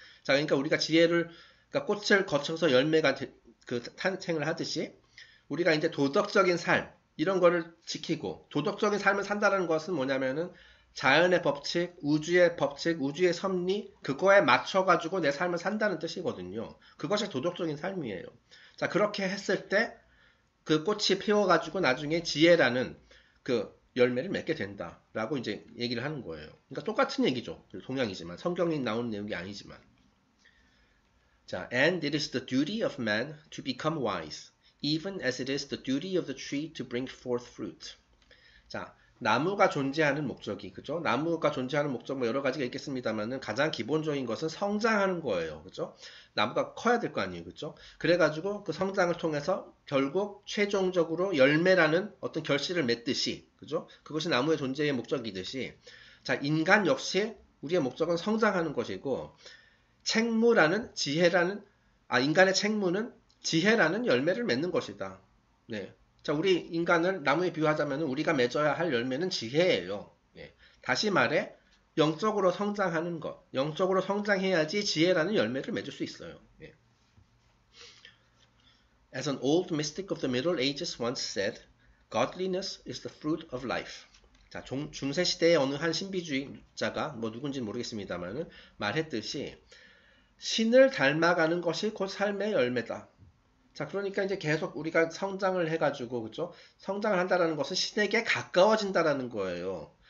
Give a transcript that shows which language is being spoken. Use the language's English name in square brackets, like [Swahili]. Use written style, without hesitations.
[Korean] 자, 그러니까 우리가 지혜를, 그러니까 꽃을 거쳐서 열매가 그 탄생을 하듯이 우리가 이제 도덕적인 삶, 이런 거를 지키고, 도덕적인 삶을 산다는 것은 뭐냐면은, 자연의 법칙, 우주의 법칙, 우주의 섭리, 그거에 맞춰가지고 내 삶을 산다는 뜻이거든요. 그것이 도덕적인 삶이에요. 자, 그렇게 했을 때, 그 꽃이 피워가지고 나중에 지혜라는 그 열매를 맺게 된다. 라고 이제 얘기를 하는 거예요. 그러니까 똑같은 얘기죠. 동양이지만, 성경에 나오는 내용이 아니지만. [English] 자, and it is the duty of man to become wise. Even as it is the duty of the tree to bring forth fruit. [Korean] 자, 나무가 존재하는 목적이, 그죠? 나무가 존재하는 목적 뭐 여러 가지가 있겠습니다만은 가장 기본적인 것은 성장하는 거예요. 그죠? 나무가 커야 될거 아니에요. 그죠? 그래가지고 그 성장을 통해서 결국 최종적으로 열매라는 어떤 결실을 맺듯이, 그죠? 그것이 나무의 존재의 목적이듯이. 자, 인간 역시 우리의 목적은 성장하는 것이고, 책무라는 지혜라는, 아, 인간의 책무는 지혜라는 열매를 맺는 것이다. 네. 자, 우리 인간을 나무에 비유하자면 우리가 맺어야 할 열매는 지혜예요. 예. 다시 말해, 영적으로 성장하는 것, 영적으로 성장해야지 지혜라는 열매를 맺을 수 있어요. 예. [English] As an old mystic of the Middle Ages once said, godliness is the fruit of life. [Korean] 자, 중세시대의 어느 한 신비주의자가, 뭐 누군지 모르겠습니다만, 말했듯이, 신을 닮아가는 것이 곧 삶의 열매다. 자, 그러니까 이제 계속 우리가 성장을 해가지고, 그죠? 성장을 한다라는 것은 신에게 가까워진다라는 거예요.